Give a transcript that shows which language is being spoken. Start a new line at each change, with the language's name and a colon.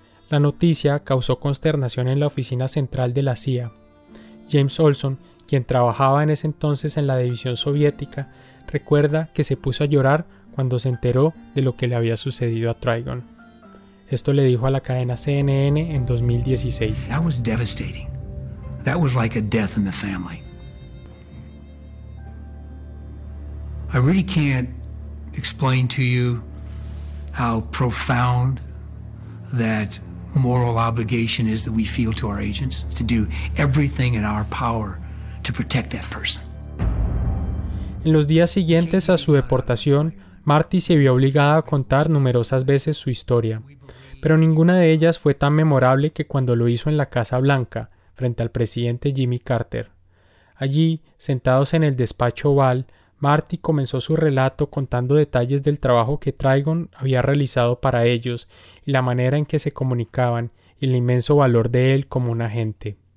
Spanish: La noticia causó consternación en la oficina central de la CIA. James Olson, quien trabajaba en ese entonces en la división soviética, recuerda que se puso a llorar cuando se enteró de lo que le había sucedido a Trigon. Esto le dijo a la cadena CNN en 2016.
English: That was devastating. That was like a death in the family. I really can't explain to you how profound that moral obligation is that we feel to our agents to do everything in our power to protect that person.
Spanish: En los días siguientes a su deportación, Marty se vio obligada a contar numerosas veces su historia, pero ninguna de ellas fue tan memorable que cuando lo hizo en la Casa Blanca, frente al presidente Jimmy Carter. Allí, sentados en el despacho oval, Marty comenzó su relato contando detalles del trabajo que Trigon había realizado para ellos y la manera en que se comunicaban y el inmenso valor de él como un agente.